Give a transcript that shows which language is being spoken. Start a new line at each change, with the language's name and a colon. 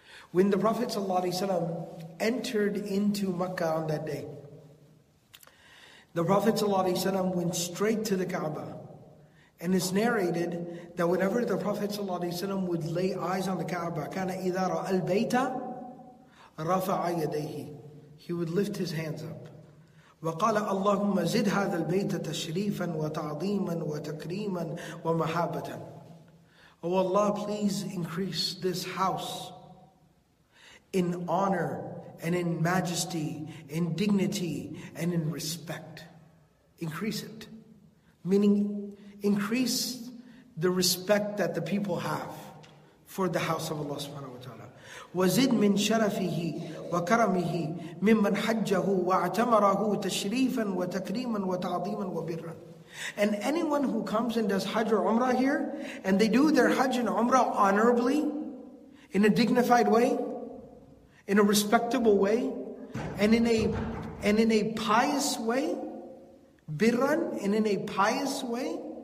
English: When the Prophet ﷺ entered into Mecca on that day, the Prophet ﷺ went straight to the Kaaba. And it's narrated that whenever the Prophet ﷺ would lay eyes on the Kaaba,
Arabic: كَانَ إِذَا رَأَى الْبَيْتَ رَفَعَ يَدَيْهِ.
English: He would lift his hands up.
Arabic: وقال اللهم زد هذا البيت تشريفا وتعظيما وتكريما ومحبة.
English: Oh Allah, please increase this house in honor and in majesty, in dignity and in respect. Increase it. Meaning, increase the respect that the people have for the house of Allah subhanahu wa ta'ala.
Arabic: وزد من شرفه وكرمه ممن حجه واعتمره تشريفا وتكريما وتعظيما وبرا.
English: And anyone who comes and does Hajj or Umrah here, and they do their Hajj and Umrah honorably, in a dignified way, in a respectable way, and in a pious way, birran, and in a pious way,